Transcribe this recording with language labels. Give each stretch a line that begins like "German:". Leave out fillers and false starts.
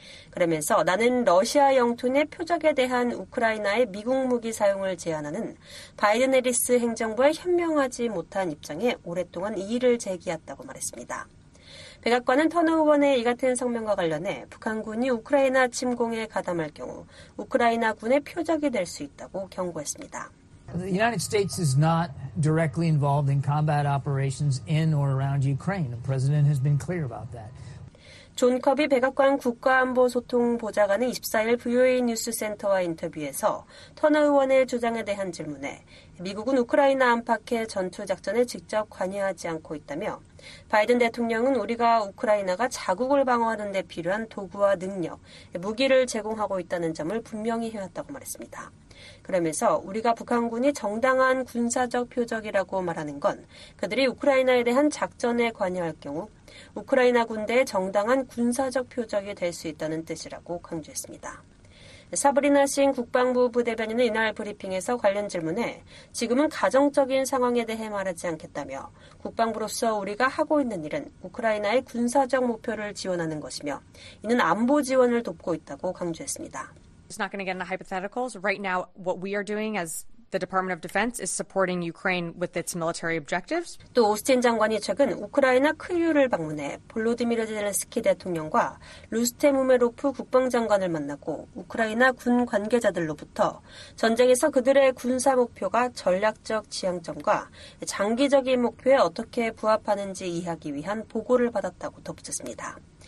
Korean: 그러면서 나는 러시아 영토 내 표적에 대한 우크라이나의 미국 무기 사용을 제한하는 바이든 해리스 행정부의 현명하지 못한 입장에 오랫동안 이의를 제기했다고 말했습니다. 백악관은 터너 의원의 이 같은 성명과 관련해 북한군이 우크라이나 침공에 가담할 경우 우크라이나군의 표적이 될 수 있다고 경고했습니다.
English: The United States is not directly involved in combat operations in or around Ukraine. The president has been clear about that.
Korean: 존 커비 백악관 국가안보소통보좌관의 24일 VOA 뉴스센터와 인터뷰에서 터너 의원의 주장에 대한 질문에 미국은 우크라이나 안팎의 전투작전에 직접 관여하지 않고 있다며 바이든 대통령은 우리가 우크라이나가 자국을 방어하는 데 필요한 도구와 능력, 무기를 제공하고 있다는 점을 분명히 해왔다고 말했습니다. 그러면서 우리가 북한군이 정당한 군사적 표적이라고 말하는 건 그들이 우크라이나에 대한 작전에 관여할 경우 우크라이나 군대의 정당한 군사적 표적이 될 수 있다는 뜻이라고 강조했습니다. 사브리나 신 국방부 부대변인은 이날 브리핑에서 관련 질문에 지금은 가정적인 상황에 대해 말하지 않겠다며 국방부로서 우리가 하고 있는 일은 우크라이나의 군사적 목표를 지원하는 것이며 이는 안보 지원을 돕고 있다고 강조했습니다.
English: It's not going to get into hypotheticals. Right now, what we are doing as the Department of Defense is supporting Ukraine with its military objectives.
Korean: 또 오스틴 장관이 최근 우크라이나 크유를 방문해 볼로디미르 젤렌스키 대통령과 루스템 우메로프 국방장관을 만나고 우크라이나 군 관계자들로부터 전쟁에서 그들의 군사 목표가 전략적 지향점과 장기적인 목표에 어떻게 부합하는지 이해하기 위한 보고를 받았다고 덧붙였습니다.